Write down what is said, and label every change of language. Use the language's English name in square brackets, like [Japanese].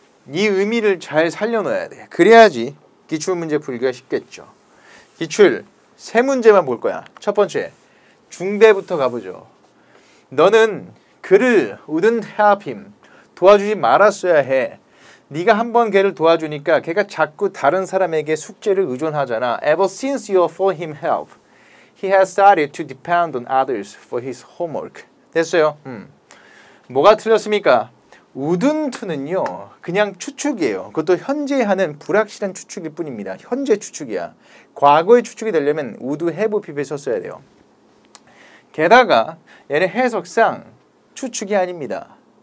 [Korean] 이 의미를 잘 살려놔야 돼. 그래야지 기출문제 풀기가 쉽겠죠. 기출 세 문제만 볼 거야. 첫 번째, 중대부터 가보죠. 너는 그를 [English] wouldn't help him, [Korean] 도와주지 말았어야 해. 네가 한번 걔를 도와주니까 걔가 자꾸 다른 사람에게 숙제를 의존하잖아. [English] Ever since you offered him help, he has started to depend on others for his homework. [Korean] 됐어요? 뭐가 틀렸습니까? wouldn't는요 그냥 추측이에요. 그것도 현재에 하는 불확실한 추측일 뿐입니다. 현재 추측이야. 과거의 추측이 되려면 would have pp에 썼어야 돼요. 게다가 얘네 해석상 추측이 아닙니다.